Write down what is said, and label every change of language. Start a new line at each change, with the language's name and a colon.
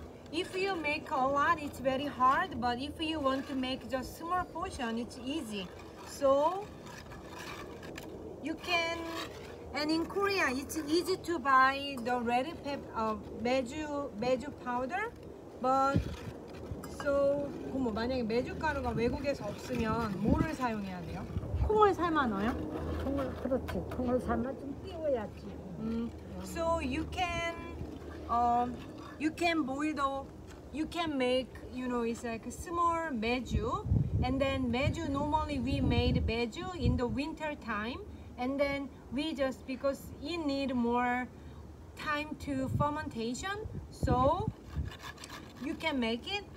English: If you make a lot, it's very hard. But if you want to make just small portion, it's easy. So you can, and in Korea, it's easy to buy the red pepper, mejoo powder. But so,
Korean: 고모, 만약에 메주 가루가 외국에서 없으면 뭐를 사용해야 돼요? 콩을 삶아 넣어요? 콩을, 그렇지. 콩을 삶아 좀 띄워야지.
English: So you can make, you know, it's like a small mejoo. And then mejoo, normally we made mejoo in the winter time. And then we just, because you need more time to fermentation, so you can make it.